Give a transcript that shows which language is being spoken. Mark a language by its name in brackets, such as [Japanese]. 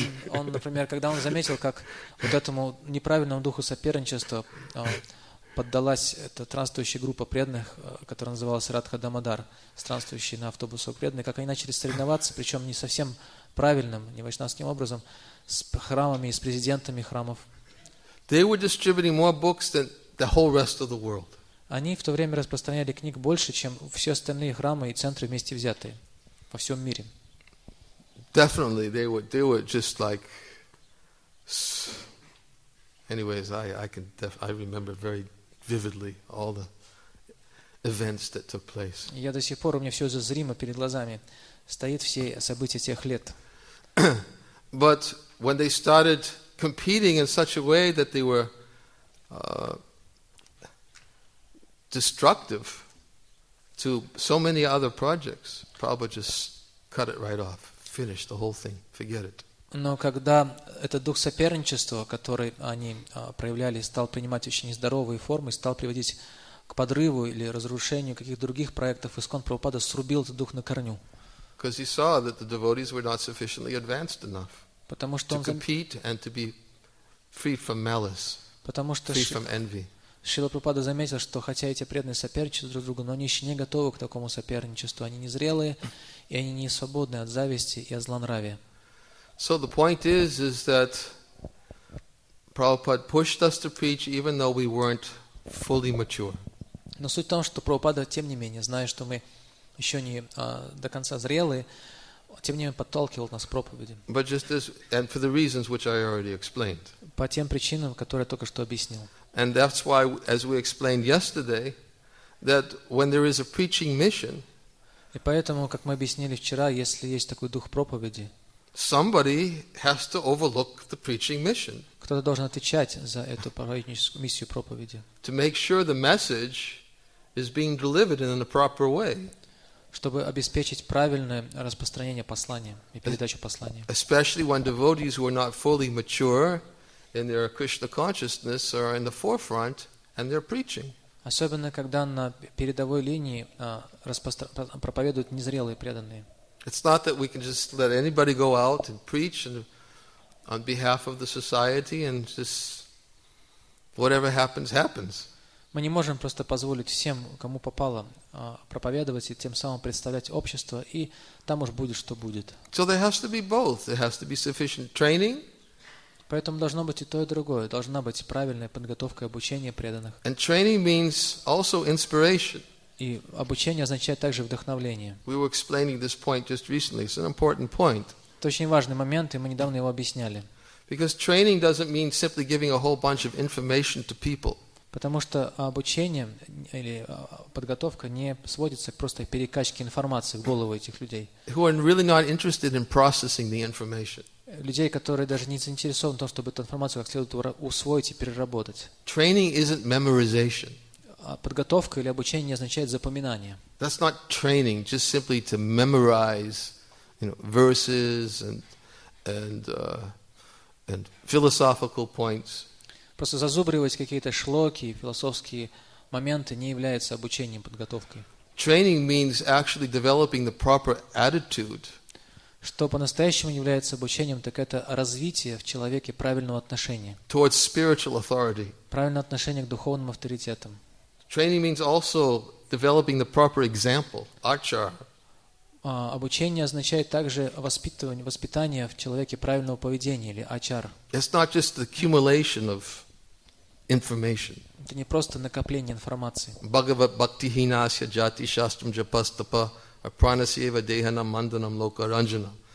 [Russian] Он, например, когда он заметил, как вот этому неправильному духу соперничества поддалась эта странствующая группа преданных, которая называлась Радха Дамодар, странствующие на автобусах преданные, как они начали соревноваться, причем не совсем правильным, не вайшнавским образом, с храмами и с президентами храмов. [English] They were distributing more books than the whole rest of the world. [Russian] Они в то время распространяли книг больше, чем все остальные храмы и центры вместе взятые во всем мире. [English] Definitely, they were just like. Anyways, I remember very vividly all the events that took place. [Russian] Я до сих пор, у меня все зазримо перед глазами стоит все события тех лет. [English] But when they started competing in such a way that they were destructive to so many other projects, Prabhupada just cut it right off, finished the whole thing, forget it. [Russian] Но когда этот дух соперничества, который они проявляли, стал принимать очень нездоровые формы, стал приводить к подрыву или разрушению каких-то других проектов, искон Прабхупада срубил этот дух на корню. [English] Because he saw that the devotees were not sufficiently advanced enough [Russian] потому что [English] to compete and to be free from malice, [Russian] потому что [English] free from envy. [Russian] Шрила Прабхупада заметил, что хотя эти преданные соперничают друг с другом, но они еще не готовы к такому соперничеству. Они незрелые, и они не свободны от зависти и от злонравия. [English] So the point is that Prabhupada pushed us to preach, even though we weren't fully mature. [Russian] Но суть в том, что Прабхупада, тем не менее, зная, что мы еще не до конца зрелые, тем не менее подталкивал нас к проповеди. [English] But just as, and for the reasons which I already explained. [Russian] По тем причинам, которые я только что объяснил. [English] And that's why, as we explained yesterday, that when there is a preaching mission, [Russian] и поэтому, как мы объяснили вчера, если есть такой дух проповеди, [English] somebody has to overlook the preaching mission. [Russian] Кто-то должен отвечать за эту проповедническую миссию проповеди. [English] To make sure the message is being delivered in a proper way. [Russian] Чтобы обеспечить правильное распространение послания и передачу послания. [English] Especially when devotees who are not fully mature in their Krishna consciousness are in the forefront and they're preaching. [Russian] Особенно когда на передовой линии проповедуют незрелые преданные. [English] It's not that we can just let anybody go out and preach and on behalf of the society and just whatever happens, happens. [Russian] Мы не можем просто позволить всем, кому попало, проповедовать и тем самым представлять общество, и там уж будет, что будет. [English] So there has to be both. There has to be sufficient training. [Russian] Поэтому должно быть и то, и другое. Должна быть правильная подготовка и обучение преданных. [English] And training means also inspiration. [Russian] И обучение означает также вдохновление. [English] We were explaining this point just recently. It's an important point. [Russian] Это очень важный момент, и мы недавно его объясняли. [English] Because training doesn't mean simply giving a whole bunch of information to people. [Russian] Потому что обучение или подготовка не сводится к просто перекачке информации в голову этих людей. [English] Who are really not interested in processing the information. [Russian] Людей, которые даже не заинтересованы в том, чтобы эту информацию как следует усвоить и переработать. [English] Training isn't memorization. [Russian] Подготовка или обучение не означает запоминание. [English] That's not training, just simply to memorize, you know, verses and philosophical points. [Russian] Просто зазубривать какие-то шлоки, философские моменты не является обучением, подготовкой. [English] Training means actually developing the proper attitude. [Russian] Что по-настоящему является обучением, так это развитие в человеке правильного отношения. [English] Towards spiritual authority. [Russian] Правильное отношение к духовным авторитетам. [English] Training means also developing the proper example, achara. [Russian] Обучение означает также воспитание в человеке правильного поведения или achara. [English] It's not just the accumulation of information. [Russian] Это не просто накопление информации. [Sanskrit] Bhagavat bhakti hinasya jati shastram japastapa apranasyeva dehanam mandanam lokaranjanam.